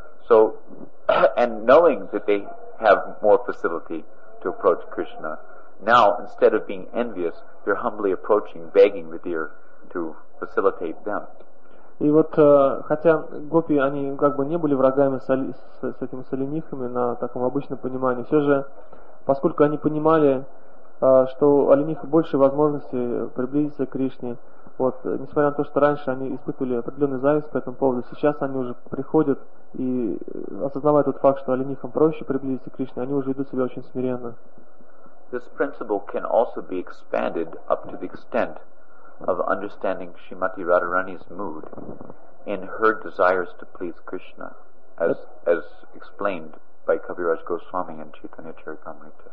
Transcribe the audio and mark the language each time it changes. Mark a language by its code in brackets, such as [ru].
[en] So, and knowing that they have more facility to approach Krishna, Now, instead of being envious, you're humbly approaching, begging the deer to facilitate them. [ru] И вот хотя гопи они как бы не были врагами с этими оленихами на таком обычном понимании, все же, поскольку они понимали, что у олениха больше возможности приблизиться к Кришне, вот, несмотря на то, что раньше они испытывали определенную зависть по этому поводу, сейчас они уже приходят и осознавая тот факт, что оленихам проще приблизиться к Кришне, они уже ведут себя очень смиренно. [en] This principle can also be expanded up to the extent of understanding Srimati Radharani's mood and her desires to please Krishna, as explained by Kaviraj Goswami and Chaitanya Charitamrita.